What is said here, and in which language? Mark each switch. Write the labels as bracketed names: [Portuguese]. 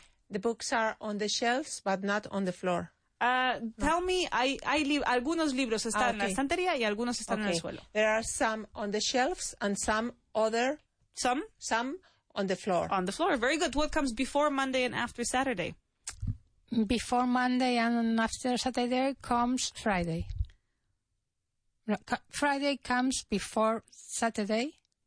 [English] The books are on the shelves, but not on the floor. Tell me, [Spanish] algunos libros están en la estantería y algunos están en el suelo. [English] There are some on the shelves and some on the floor. On the floor, very good. What comes before Monday and after Saturday? Before Monday and after Saturday comes Friday. Friday comes before Saturday.